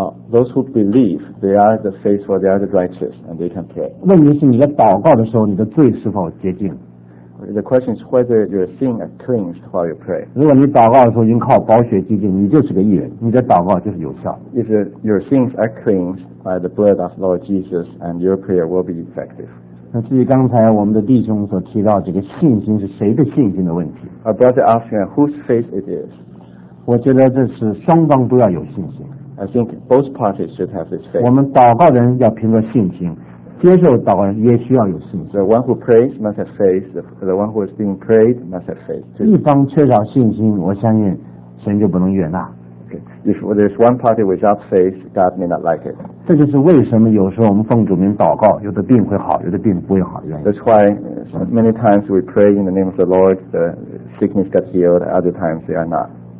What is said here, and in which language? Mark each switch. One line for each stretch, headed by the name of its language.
English: Those who believe they are the faithful, they are the righteous, and they can pray.
Chinese: 问题是你在祷告的时候，你的罪是否洁净？
English: The question is whether your sin is cleansed while you pray.
Chinese: 如果你祷告的时候已经靠宝血洁净，你就是个义人，你的祷告就是有效。
English: If your sins are cleansed by the blood of Lord Jesus, and your prayer will be effective.
Chinese: 那至于刚才我们的弟兄所提到这个信心是谁的信心的问题。
English: Our brother asked me whose faith it is.
Chinese: 我觉得这是双方都要有信心。
English: I think both parties should have this faith.
Chinese: 我们祷告的人要凭着信心。接受祷告人也需要有信心。
English: The one who prays must have faith. The one who is being prayed must have faith.
Chinese: 一方缺少信心，我相信神就不能悦纳。
English: Okay. If there's one party without faith, God may not like it.
Chinese: 这就是为什么有时候我们奉主名祷告，有的病会好，有的病不会好。
English: That's why many times we pray in the name of the Lord, the sickness got healed, other times they are not.